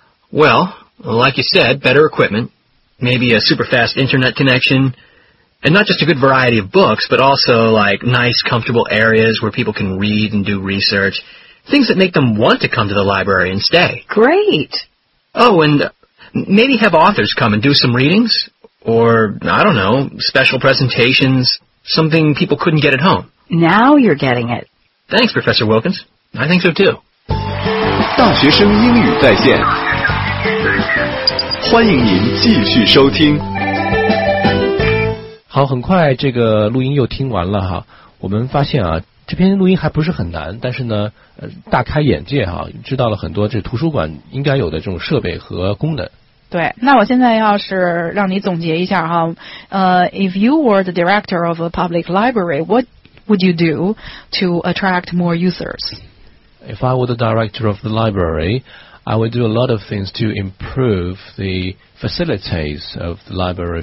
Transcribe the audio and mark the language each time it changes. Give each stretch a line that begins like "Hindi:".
English: Well, like you said, better equipment, maybe a super fast internet connection, and not just a good variety of books, but also, like, nice, comfortable areas where people can read and do research, things that make them want to come to the library and stay. Great! Oh, and maybe have authors come and do some readings, or, I don't know, special presentations, something people couldn't get at home. Now you're getting it. Thanks, Professor Wilkins. I think so, too.
Chinese: 大学生英语在线，欢迎您继续收听。好，很快这个录音又听完了哈。我们发现啊，这篇录音还不是很难，但是呢，大开眼界哈，知道了很多这图书馆应该有的这种设备和功能。对，那我现在要是让你总结一下哈，
English: if you were the director of a public library, what would you do to attract more users? If I were the director of the library, I would do a lot of things to improve the facilities of the library.